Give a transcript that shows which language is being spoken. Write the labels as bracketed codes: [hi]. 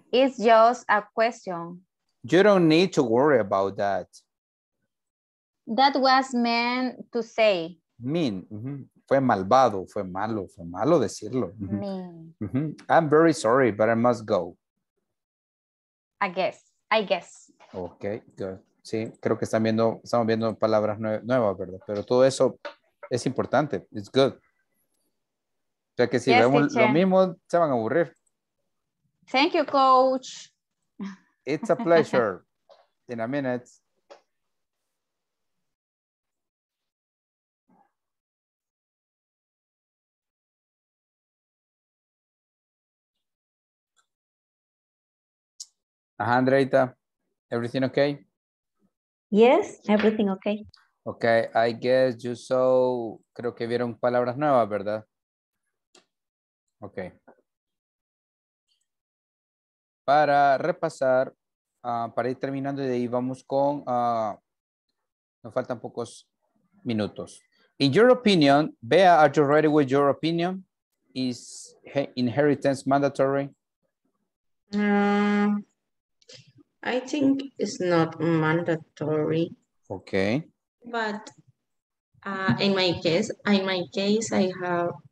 [en] It's just a question. You don't need to worry about that. That was meant to say. [es] Mean. Mm-hmm. Fue malvado, fue malo decirlo. [en] Mm-hmm. Mean. Mm-hmm. I'm very sorry, but I must go. I guess. Ok, good. [es] Sí, creo que están viendo, estamos viendo palabras nuevas, ¿verdad? Pero todo eso es importante. [en] It's good. [es] O sea que si vemos lo mismo, se van a aburrir. [en] Thank you, coach. It's a pleasure. In a minute. Ajá, Andreita. Everything okay? Yes, everything okay. Okay, I guess you saw, [es] creo que vieron palabras nuevas, ¿verdad? Okay. Para repasar, para ir terminando de ahí vamos con, nos faltan pocos minutos. [en] In your opinion, Bea, are you ready with your opinion? Is inheritance mandatory? I think it's not mandatory. Okay. But in my case, I have